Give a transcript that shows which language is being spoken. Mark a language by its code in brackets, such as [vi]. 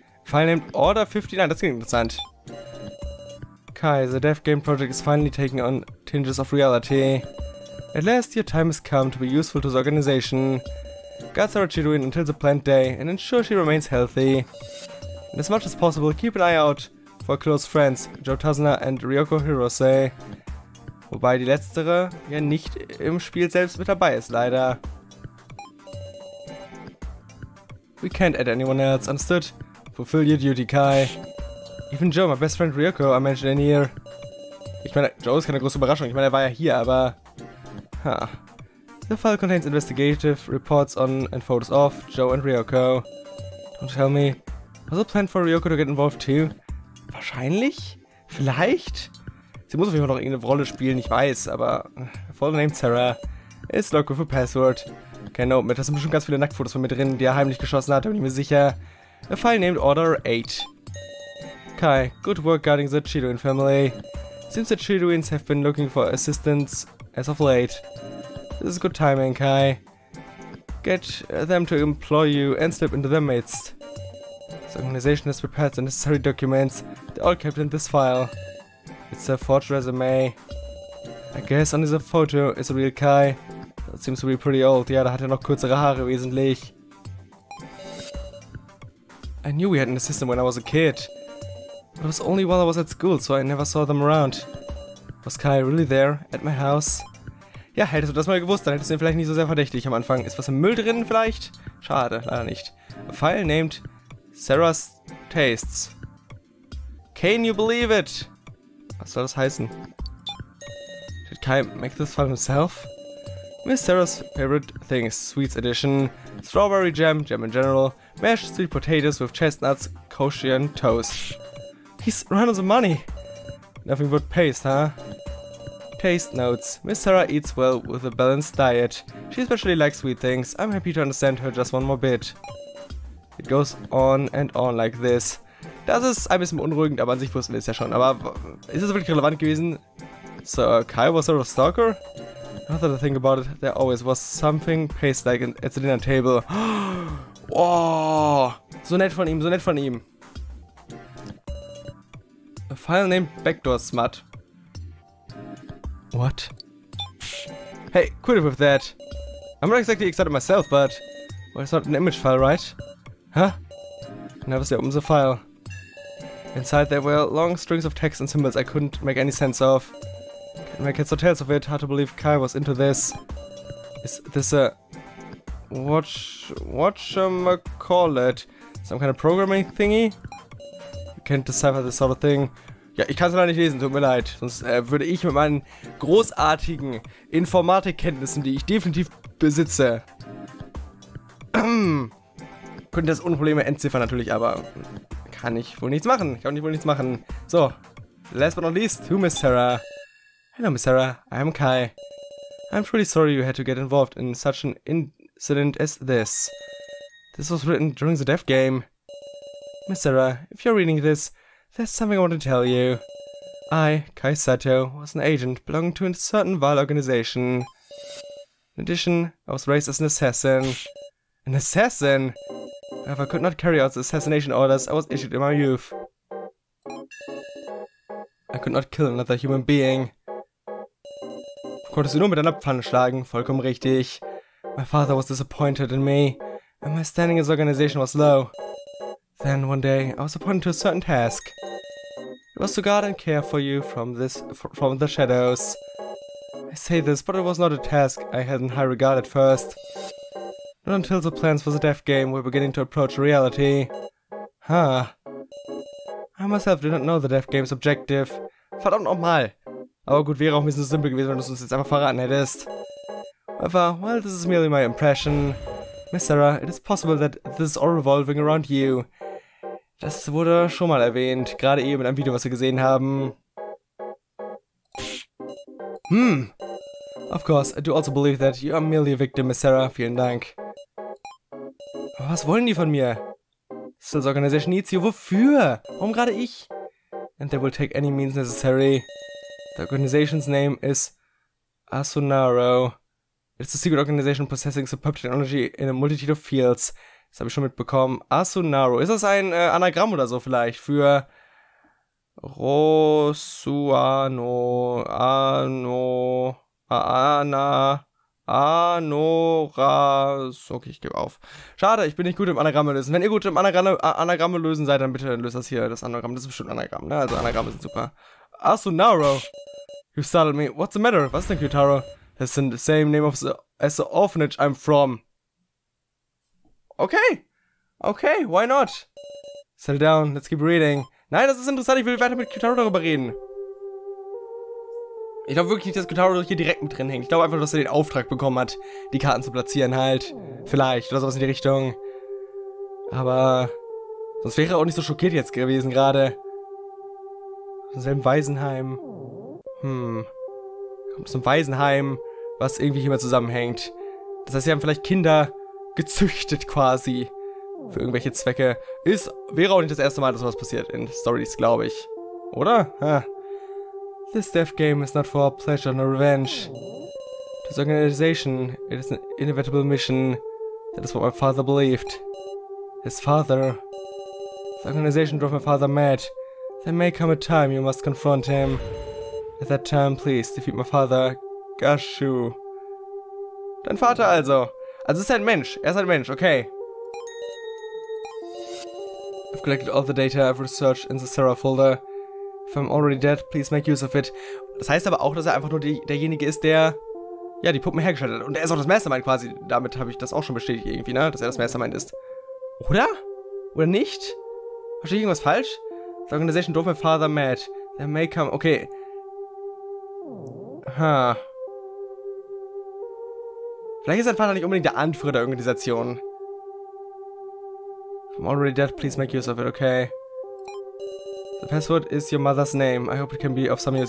[en] File named Order 59, [de] das klingt interessant. [en] Kai, the dev game project is finally taking on tinges of reality. At last, your time has come to be useful to the organization. Guard Sarah Chiruin until the planned day and ensure she remains healthy. And as much as possible, keep an eye out for close friends, Joe Tazuna and Ryoko Hirose. [de] Wobei die letztere ja nicht im Spiel selbst mit dabei ist, leider. [en] We can't add anyone else, understood? Fulfill your duty, Kai. Even Joe, my best friend Ryoko, I mentioned in here. [de] Ich meine, Joe ist keine große Überraschung, ich meine, er war ja hier, aber... Huh. [en] The file contains investigative reports on and photos of Joe and Ryoko. Don't tell me. Was a plan for Ryoko to get involved too? [de] Wahrscheinlich? Vielleicht? Sie muss auf jeden Fall noch irgendeine Rolle spielen, ich weiß, aber... [en] Full name Sarah. It's locked with a password. [de] Keine Open, da sind bestimmt ganz viele Nacktfotos von mir drin, die er heimlich geschossen hat, da bin ich mir sicher. [en] A file named Order 8. Kai, good work guarding the Chidoin family. Seems the Chidoins have been looking for assistance as of late. This is good timing, Kai. Get them to employ you and slip into their midst. This organization has prepared the necessary documents. They're all kept in this file. It's a forged resume. I guess under the photo is a real Kai. That seems to be pretty old. [de] Ja, da hat er noch kürzere Haare wesentlich. [en] I knew we had an assistant when I was a kid. But it was only while I was at school, so I never saw them around. Was Kai really there, at my house? [de] Ja, hättest du das mal gewusst, dann hättest du ihn vielleicht nicht so sehr verdächtig am Anfang. Ist was im Müll drin vielleicht? Schade, leider nicht. [en] A file named Sarah's Tastes. Can you believe it? [de] Was soll das heißen? [en] Did Kai make this file himself? Miss Sarah's favorite things, sweets edition. Strawberry jam, jam in general. Mashed sweet potatoes with chestnuts, kosher and toast. He's run out of money. Nothing but paste, huh? Taste notes. Miss Sarah eats well with a balanced diet. She especially likes sweet things. I'm happy to understand her just one more bit. It goes on and on like this. [de] Das ist ein bisschen beunruhigend, aber an sich wussten wir es ja schon. Aber ist es wirklich relevant gewesen? [en] So, Kai was sort of a stalker? Now that I think about it, there always was something paste-like at the dinner table. [de] Oh, so nett von ihm, so nett von ihm. [en] A file named Backdoor Smut. What? Hey, quit it with that. I'm not exactly excited myself, but... Well, it's not an image file, right? Huh? Never see open the file. Inside there were long strings of text and symbols I couldn't make any sense of. Can't make heads or tails of it, hard to believe Kai was into this. Is this a... Whatchamacallit? Some kind of programming thingy? You can't decipher this sort of thing. [de] Ja, ich kann es leider nicht lesen, tut mir leid. Sonst würde ich mit meinen großartigen Informatikkenntnissen, die ich definitiv besitze, könnte das ohne Probleme entziffern natürlich, aber kann ich wohl nichts machen. Kann ich wohl nichts machen. [en] So, last but not least, to Miss Sarah. Hello Miss Sarah, I'm Kai. I'm truly sorry you had to get involved in such an incident as this. This was written during the death game. Miss Sarah, if you're reading this, there's something I want to tell you. I, Kai Sato, was an agent belonging to a certain vile organization. In addition, I was raised as an assassin. An assassin? If I could not carry out the assassination orders I was issued in my youth. I could not kill another human being. [de] Du konntest nur mit deiner Pfanne schlagen, vollkommen richtig. [en] My father was disappointed in me, and my standing as organization was low. Then, one day, I was appointed to a certain task. It was to guard and care for you from the shadows. I say this, but it was not a task I had in high regard at first. Not until the plans for the death game were beginning to approach reality. Huh. I myself did not know the death game's objective. [de] Verdammt nochmal! Aber gut, wäre auch ein bisschen simpel gewesen, wenn du es uns jetzt einfach verraten hättest. [en] However, while this is merely my impression, Miss Sarah, it is possible that this is all revolving around you. [de] Das wurde schon mal erwähnt, gerade eben in einem Video, was wir gesehen haben. Hm. [en] Of course, I do also believe that you are merely a victim, Miss Sarah. [de] Vielen Dank. Aber was wollen die von mir? [en] Still, the organization needs you. [de] Wofür? Warum gerade ich? [en] And they will take any means necessary. The organization's name is Asunaro. It's a secret organization possessing superb technology in a multitude of fields. [de] Das habe ich schon mitbekommen. [en] Asunaro. [de] Ist das ein Anagramm oder so vielleicht? Für Rosuano. Ano. Ana. Anora. Okay, ich gebe auf. Schade, ich bin nicht gut im Anagramme lösen. Wenn ihr gut im Anagramme lösen seid, dann bitte löst das hier, das Anagramm. Das ist bestimmt ein Anagramm, ne? Also Anagramme sind super. Asunaro. [en] You startled me. What's the matter? [de] Was ist denn, Kyutaro? [en] That's the same name as the orphanage I'm from. Okay. Okay, why not? Settle down, let's keep reading. [de] Nein, das ist interessant, ich will weiter mit Kitaro darüber reden. Ich glaube wirklich nicht, dass Kitaro hier direkt mit drin hängt. Ich glaube einfach, dass er den Auftrag bekommen hat, die Karten zu platzieren halt. Vielleicht, oder sowas in die Richtung. Aber sonst wäre er auch nicht so schockiert jetzt gewesen gerade. Aus dem Waisenheim. Kommt aus dem Waisenheim, was irgendwie immer zusammenhängt. Das heißt, sie haben vielleicht Kinder gezüchtet quasi. Für irgendwelche Zwecke. Wäre auch nicht das erste Mal, dass sowas passiert in Stories, glaube ich. Oder? Ja. [en] This death game is not for pleasure nor revenge. This organization, it is an inevitable mission. That is what my father believed. His father. This organization drove my father mad. There may come a time you must confront him. At that time, please defeat my father, Gashu. [de] Dein Vater also. Also ist ein Mensch. Er ist ein Mensch, okay. [en] I've collected all the data I've researched in the Sarah folder. If I'm already dead, please make use of it. [de] Das heißt aber auch, dass er einfach nur derjenige ist, der ja die Puppen hergestellt hat. Und er ist auch das Mastermind quasi. Damit habe ich das auch schon bestätigt irgendwie, ne? Dass er das Mastermind ist. Oder? Oder nicht? Verstehe ich irgendwas falsch? [en] The organization drove my father mad. There may come... Okay. [de] Vielleicht ist sein Vater nicht unbedingt der Anführer der Organisation. [en] If I'm already dead, please make use of it, okay? The password is your mother's name. I hope it can be of some use.